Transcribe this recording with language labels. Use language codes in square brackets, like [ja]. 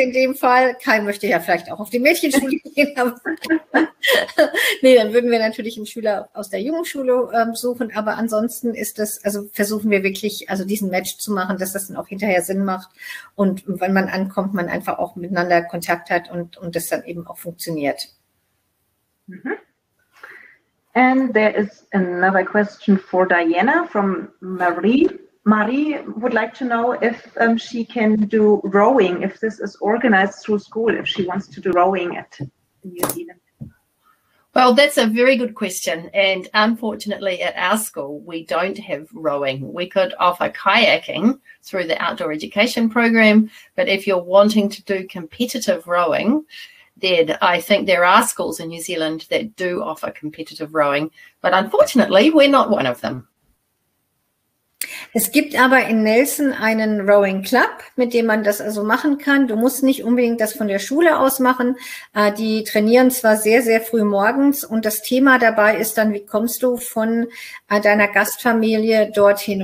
[de] In dem Fall, Kai möchte ja vielleicht auch auf die Mädchenschule gehen, aber dann würden wir natürlich einen Schüler aus der jungen Schule suchen, aber ansonsten ist das, also versuchen wir wirklich, also diesen Match zu machen, dass das dann auch hinterher Sinn macht und wenn man ankommt, man einfach auch miteinander Kontakt hat und das dann eben auch funktioniert. Mhm. [en] And there is another question for Diana from Marie. Marie would like to know if she can do rowing, if this is organized through school, if she wants to do rowing at New Zealand. Well, that's a very good question. And unfortunately, at our school, we don't have rowing. We could offer kayaking through the outdoor education program. But if you're wanting to do competitive rowing, then I think there are schools in New Zealand that do offer competitive rowing, but unfortunately we're not one of them. [de] Es gibt aber in Nelson einen Rowing Club, mit dem man das also machen kann. Du musst nicht unbedingt das von der Schule aus machen. Die trainieren zwar sehr, sehr früh morgens und das Thema dabei ist dann, wie kommst du von deiner Gastfamilie dorthin?